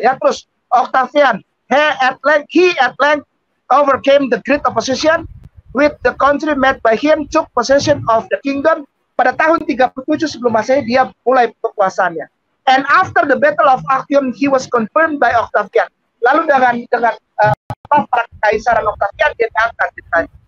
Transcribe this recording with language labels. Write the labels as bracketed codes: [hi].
[id] Ya, terus [en] Octavian, he at length overcame the great opposition with the country made by him, took possession of the kingdom. [id] Pada tahun 37 sebelum Masehi dia mulai kekuasaannya. [en] And after the battle of Actium he was confirmed by Octavian. [id] Lalu dengan para kaisaran Octavian dia diangkat jadi.